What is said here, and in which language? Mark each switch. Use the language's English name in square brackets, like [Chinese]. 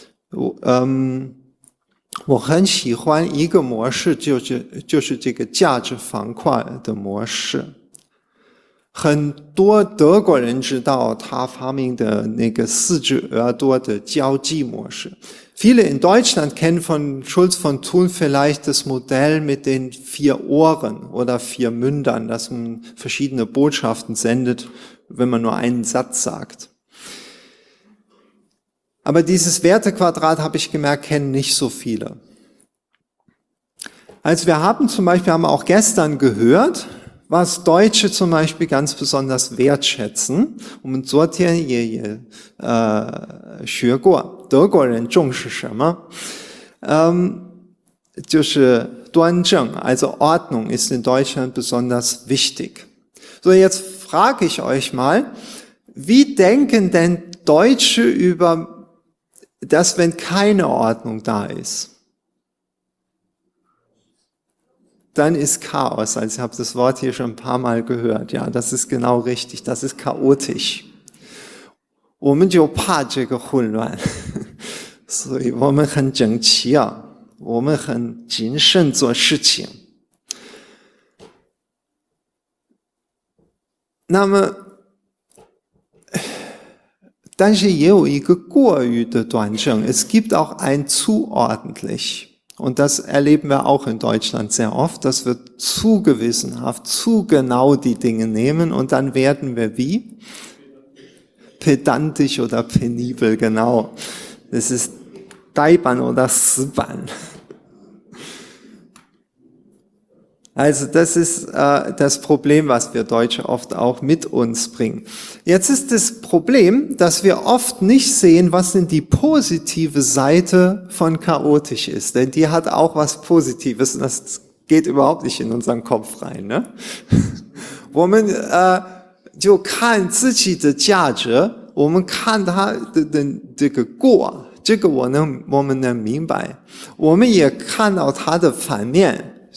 [Chinese] 我很喜欢一个模式，就是这个价值方块的模式。很多德国人知道他发明的那个四只耳朵的交际模式。 [German] Viele in Deutschland kennen von Schulz von Thun vielleicht das Modell mit den vier Ohren oder vier Mündern, dass man verschiedene Botschaften sendet, wenn man nur einen Satz sagt. Aber dieses Wertequadrat, habe ich gemerkt, kennen nicht so viele. Also wir haben zum Beispiel, haben auch gestern gehört,was Deutsche zum Beispiel ganz besonders wertschätzen. Und so haben wir gelernt, was Deutsche zum Beispiel ganz besonders wertschätzen. Also Ordnung ist in Deutschland besonders wichtig. So, jetzt frage ich euch mal, wie denken denn Deutsche über das, wenn keine Ordnung da ist? Dann ist Chaos. Also ich habe das Wort hier schon ein paar Mal gehört. Ja, das ist genau richtig. Das ist chaotisch. [Chinese] 我们就怕这个混乱，所以我们很整齐啊，我们很谨慎做事情。那么，但是也有一个过于的端正。 [German] Es gibt auch ein zu ordentlich. Und das erleben wir auch in Deutschland sehr oft, dass wir zu gewissenhaft, zu genau die Dinge nehmen und dann werden wir wie? Pedantisch oder penibel, genau. Das ist Daiban oder Siban. Also das ist das Problem, was wir Deutsche oft auch mit uns bringen. Jetzt ist das Problem, dass wir oft nicht sehen, was denn die positive Seite von chaotisch ist. Denn die hat auch was Positives und das geht überhaupt nicht in unseren Kopf rein. Ne? [Chinese] 我们就看自己的价值，我们看它的这个过，这个我们能明白，我们也看到它的反面。